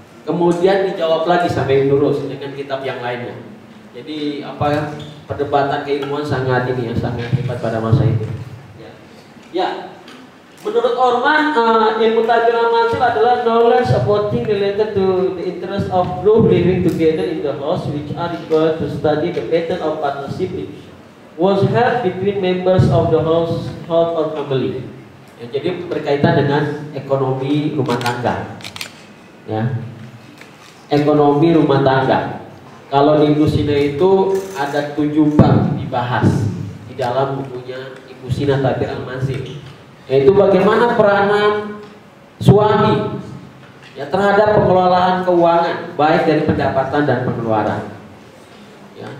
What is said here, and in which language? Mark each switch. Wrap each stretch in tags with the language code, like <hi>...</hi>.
<id>Kemudian dijawab lagi sampai Ibn Rus dengan kitab yang lainnya. Jadi apa perdebatan keilmuan sangat ini ya, sangat hebat pada masa itu. Ya, menurut Orman, ilmu tadbir al-manzil adalah</id> <en>knowledge about things related to the interest of group living together in the house, which are required to study the pattern of partnership which was held between members of the household or family.</en> <id>Ya, jadi berkaitan dengan ekonomi rumah tangga. Ya, ekonomi rumah tangga. Kalau di Ibnu Sina itu ada 7 bab dibahas di dalam bukunya. Usina tadbir al-manzil, yaitu bagaimana peranan suami ya terhadap pengelolaan keuangan, baik dari pendapatan dan pengeluaran. Ya.</id>